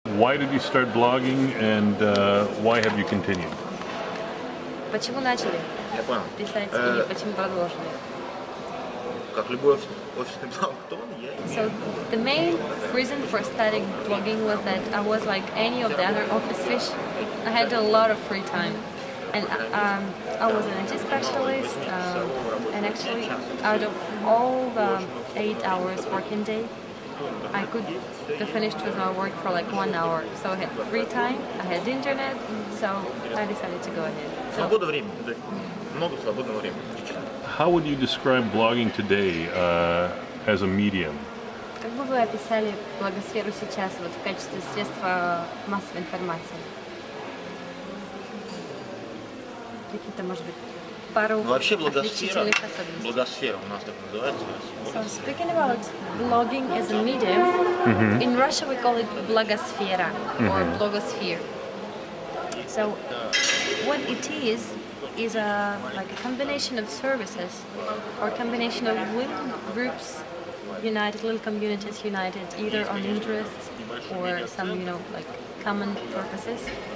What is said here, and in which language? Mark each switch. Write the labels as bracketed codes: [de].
[en] Why did you start blogging, and why have you continued? [ru] Почему начали писать и почему продолжили? Как любой офисный блогтон, я. [en] So the main reason for starting blogging was that I was like any of the other office fish. I had a lot of free time. And I was an IT specialist, and actually, out of all the 8 hours working day, I could be finished with my work for like 1 hour. So I had free time, I had internet, so I decided to go ahead. [ru] Свободное время, много свободного времени. [en] How would you describe blogging today as a medium? [ru] Как бы вы описали блогосферу сейчас вот в качестве средства массовой информации? Какие-то, может быть, пару отличительных особенностей. [en] So, speaking about blogging as a medium, mm-hmm. in Russia we call it blogosfera, mm-hmm. or blogosphere. So, what it is a, like a combination of services, or combination of women groups united, little communities united, either on interests or some, you know, like common purposes.